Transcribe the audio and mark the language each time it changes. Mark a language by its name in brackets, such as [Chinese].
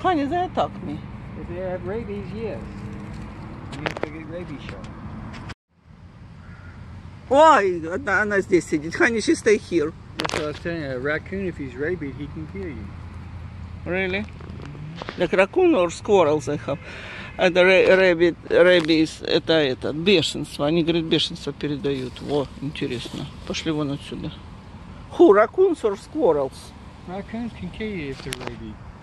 [English] Honey, they attack me. If they have rabies, yes. You need to get rabies shot. [Russian] Ой, она здесь сидит. [English] Honey, she stay here. That's what I was telling you. A raccoon, if he's rabies, he can kill you. Really? Like raccoon or squirrels I have? [Russian] And rabies, это, бешенство. Они, говорят, бешенство передают. Во, интересно. Пошли вон отсюда. [English] Who, raccoons or squirrels? Raccoons can kill you if they're rabies.